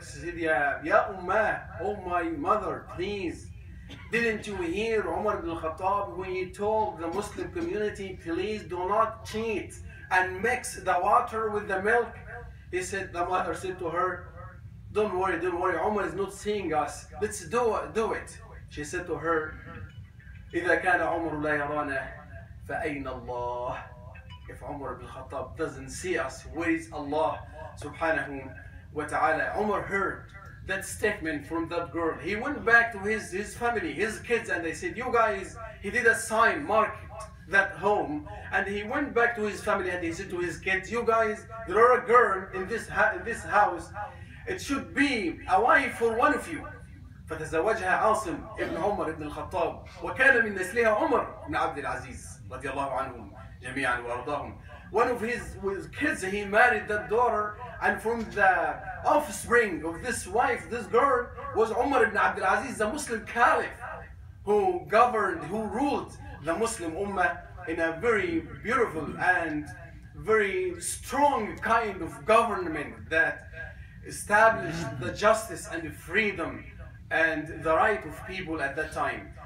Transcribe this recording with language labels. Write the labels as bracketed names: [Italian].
[English] She said, Ya Ummah, oh my mother, please. Didn't you hear Umar ibn al-Khattab when he told the Muslim community, please do not cheat and mix the water with the milk? He said, the mother said to her, don't worry, Umar is not seeing us. Let's do it. She said to her, [Arabic] إِذَا كَانَ عُمَرُ لَا يَرَانَا فَأَيْنَ اللَّهُ. [English] If Umar ibn al-Khattab doesn't see us, where is Allah subhanahu wa ta'ala? Umar heard that statement from that girl. He went back to his family, his kids, and they said, you guys, he did a sign, mark that home. And he went back to his family and he said to his kids, you guys, there are a girl in this house. It should be a wife for one of you. [Arabic] فتزوجها عاصم ابن عمر ابن الخطاب وكان من نسلها عمر بن عبد العزيز رضي الله عنهم جميعا وارضاهم. [English] One of his kids, he married that daughter, and from the offspring of this wife, this girl, was Umar ibn Abdul Aziz, the Muslim caliph, who governed, who ruled the Muslim ummah in a very beautiful and very strong kind of government that established the justice and the freedom and the right of people at that time.